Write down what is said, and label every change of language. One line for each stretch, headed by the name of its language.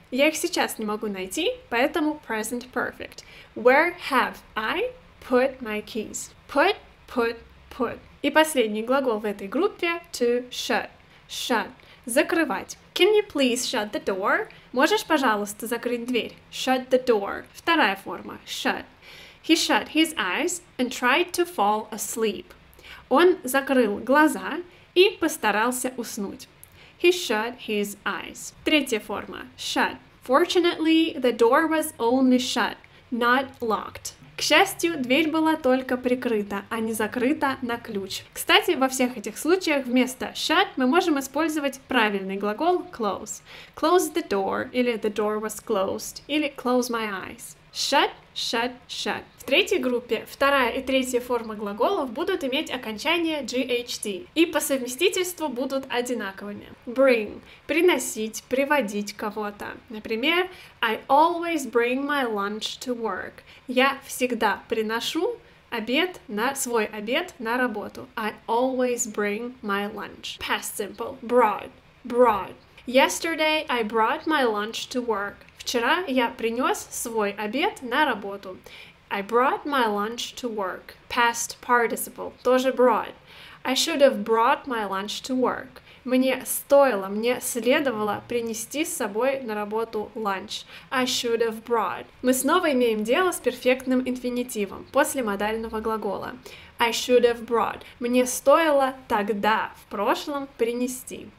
Russian: Я их сейчас не могу найти, поэтому present perfect.
English: Where have I put my keys? Put, put, put.
Russian: И последний глагол в этой группе to shut.
English: Shut. Закрывать. Can you please shut the door?
Russian: Можешь, пожалуйста, закрыть дверь?
English: Shut the door.
Russian: Вторая форма.
English: Shut. He shut his eyes and tried to fall asleep.
Russian: Он закрыл глаза и постарался уснуть.
English: He shut his eyes.
Russian: Третья форма.
English: Shut. Fortunately, the door was only shut, not locked.
Russian: К счастью, дверь была только прикрыта, а не закрыта на ключ. Кстати, во всех этих случаях вместо shut мы можем использовать правильный глагол close.
English: Close the door, или the door was closed, или close my eyes. Shut, shut, shut.
Russian: В третьей группе вторая и третья форма глаголов будут иметь окончание GHT и по совместительству будут одинаковыми.
English: Bring –
Russian: приносить, приводить кого-то. Например,
English: I always bring my lunch to work.
Russian: Я всегда приношу обед на свой обед на работу.
English: I always bring my lunch. Past simple – brought, brought. Yesterday I brought my lunch to work.
Russian: Вчера я принес свой обед на работу.
English: I brought my lunch to work. Past participle. Тоже brought. I should have brought my lunch to work.
Russian: Мне стоило, мне следовало принести с собой на работу lunch.
English: I should have brought.
Russian: Мы снова имеем дело с перфектным инфинитивом после модального глагола.
English: I should have brought.
Russian: Мне стоило тогда, в прошлом, принести.